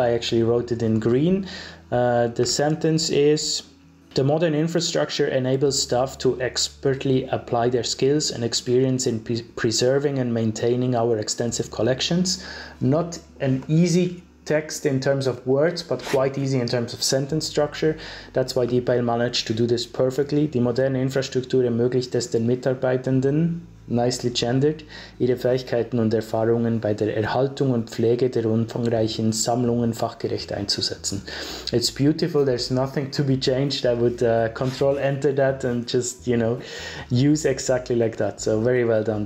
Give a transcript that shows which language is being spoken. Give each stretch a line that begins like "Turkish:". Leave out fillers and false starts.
English: I actually wrote it in green. The sentence is, the modern infrastructure enables staff to expertly apply their skills and experience in preserving and maintaining our extensive collections. Not an easy text in terms of words, but quite easy in terms of sentence structure. That's why DeepL managed to do this perfectly.
German: Die moderne Infrastruktur ermöglicht es den Mitarbeitenden, nicely gendered, ihre Fähigkeiten und Erfahrungen bei der Erhaltung und Pflege der umfangreichen Sammlungen fachgerecht einzusetzen.
English: It's beautiful, there's nothing to be changed. I would control enter that and just, you know, use exactly like that. So very well done.